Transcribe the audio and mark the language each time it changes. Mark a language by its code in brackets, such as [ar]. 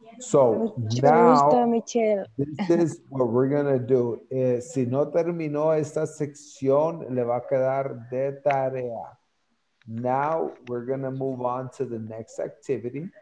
[en] So now, this is what we're gonna do. [es] Si no terminó esta sección, le va a quedar de tarea. [en] Now we're gonna move on to the next activity.